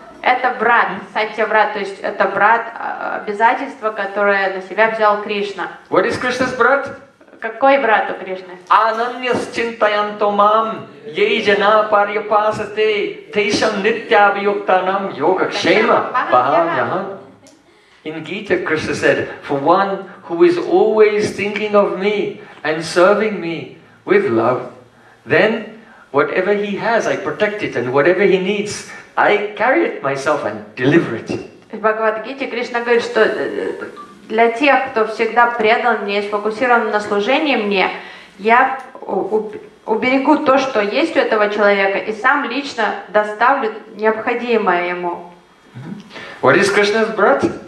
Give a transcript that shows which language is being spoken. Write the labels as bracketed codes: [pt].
[ru] Это брат, Сатья брат, то есть это брат обязательство, которое на себя взял Кришна. [en] What is Krishna's brat? [ru] Какой брат у Кришны? [sa] Ананьяс чинтаянто мам, ей жена парьяпасате, тейшам нитьябьюктанам йога кшема, бахамьяхам. [en] In Gita, Krishna said, for one who is always thinking of me and serving me with love, then whatever he has, I protect it, and whatever he needs, I carry it myself and deliver it. [ru] В Бхагавад-гите Кришна говорит, что для тех, кто всегда предан мне и сфокусирован на служении мне, я уберегу то, что есть у этого человека, и сам лично доставлю необходимое ему. [en] What is Krishna's brat?